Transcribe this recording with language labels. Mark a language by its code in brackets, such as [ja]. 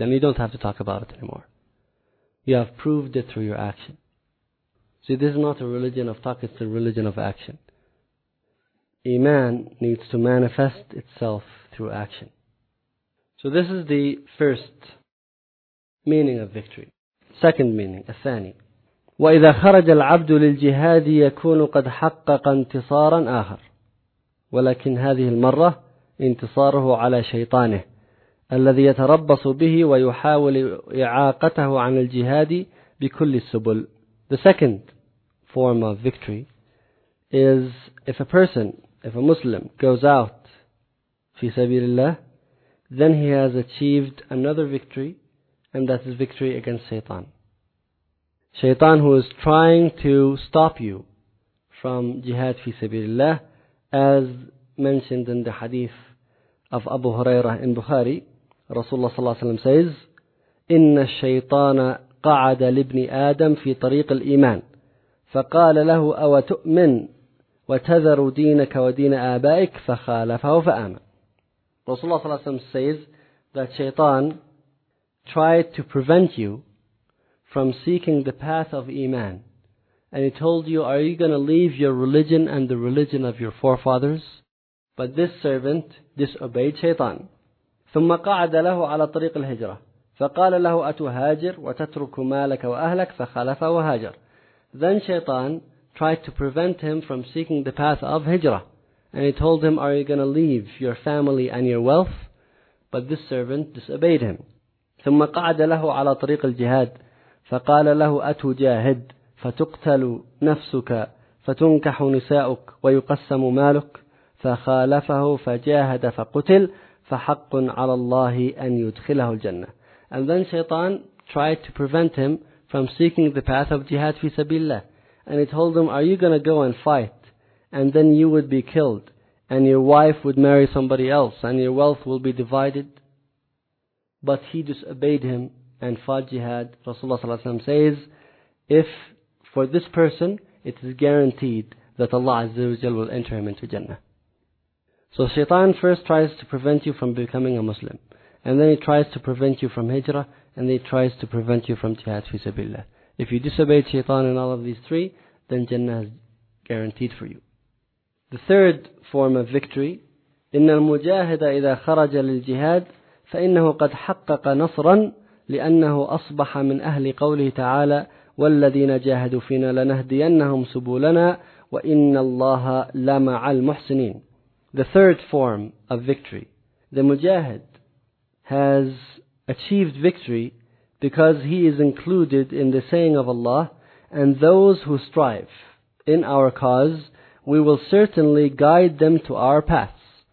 [en] And you don't have to talk about it anymore. You have proved it through your action. See, this is not a religion of talk, it's a religion of action. Iman needs to manifest itself through action. So this is the first meaning of victory. Second meaning, [ar] الثاني. وَإِذَا خَرَجَ الْعَبْدُ لِلْجِهَادِ يَكُونُ قَدْ حَقَّقَ انْتِصَارًا آخَرٌ وَلَكِنْ هَذِهِ الْمَرَّةِ انتصاره على شيطانه الذي يتربص به ويحاول إعاقته عن الجهاد بكل السبل. [en] The second form of victory is if a Muslim goes out [ar] في سبيل الله, [en] then he has achieved another victory, and that is victory against Shaitan. Shaitan, who is trying to stop you from jihad [ar] في سبيل الله, [en] as mentioned in the hadith of Abu Hurairah in Bukhari, [ar] Rasulullah sallallahu alayhi wasallam says, "Inna ash-shaytana qa'ada li ibn Adam fi tariq al-iman." فقال له أو تؤمن وتذر دينك ودين آبائك فخالفه فآمن. [en] Rasulullah sallallahu alayhi wasallam says that shaitan tried to prevent you from seeking the path of iman, and he told you, are you going to leave your religion and the religion of your forefathers? But this servant disobeyed shaitan. [ar] ثم قعد له على طريق الهجرة فقال له أتهاجر وتترك مالك وأهلك فخالفه وهاجر. [en] Then shaitan tried to prevent him from seeking the path of hijrah. And he told him, are you going to leave your family and your wealth? But this servant disobeyed him. [ar] ثم قعد له على طريق الجهاد فقال له أتجاهد فتقتل نفسك فتنكح نساؤك ويقسم مالك فخالفه فجاهد فقتل فحق على الله أن يدخله الجنة. [en] And then shaitan tried to prevent him from seeking the path of jihad fi sabilillah. And he told him, are you going to go and fight? And then you would be killed. And your wife would marry somebody else. And your wealth will be divided. But he disobeyed him and fought jihad. Rasulullah sallallahu alayhi wa sallam says, if for this person, it is guaranteed that Allah azza wa jal will enter him into Jannah. So shaitan first tries to prevent you from becoming a Muslim. And then he tries to prevent you from hijrah. And he tries to prevent you from jihad fi sabilillah. If you disobey shaitan in all of these three, then Jannah is guaranteed for you. The third form of victory, [ar] إِنَّ الْمُجَاهِدَ إِذَا خَرَجَ لِلْجِهَادِ فَإِنَّهُ قَدْ حَقَّقَ نَصْرًا لِأَنَّهُ أَصْبَحَ مِنْ أَهْلِ قَوْلِهِ تَعَالَى وَالَّذِينَ جَاهَدُوا فِينَا لَنَهْدِيَنَّهُمْ سُبُولَنَا وَإِنَّ اللَّهَ لَمَعَ الْمُحْسِنِينَ. [en] The third form of victory, the mujahid has achieved victory because he is included in the saying of Allah, and those who strive in our cause, we will certainly guide them to our paths.